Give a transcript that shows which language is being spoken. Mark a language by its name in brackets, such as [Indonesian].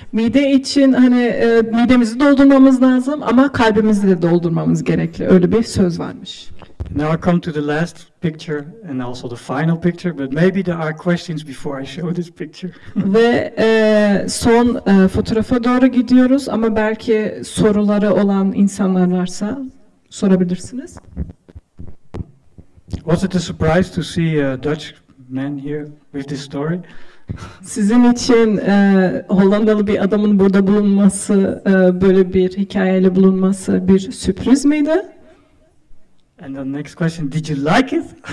[Turkish] Mide için hani midemizi doldurmamız lazım ama kalbimizi de doldurmamız gerekli. Öyle bir söz varmış. [English] Now I come to the last picture and also the final picture, but maybe there are questions before I show this picture. [Turkish] Ve son fotoğrafa doğru gidiyoruz ama belki soruları olan insanlar varsa sorabilirsiniz. [English] Was it a surprise to see a Dutch man here with this story? [Turkish] Sizin için Hollandalı bir adamın burada bulunması, böyle bir hikayeyle bulunması bir sürpriz miydi? [English] And the next question, did you like it?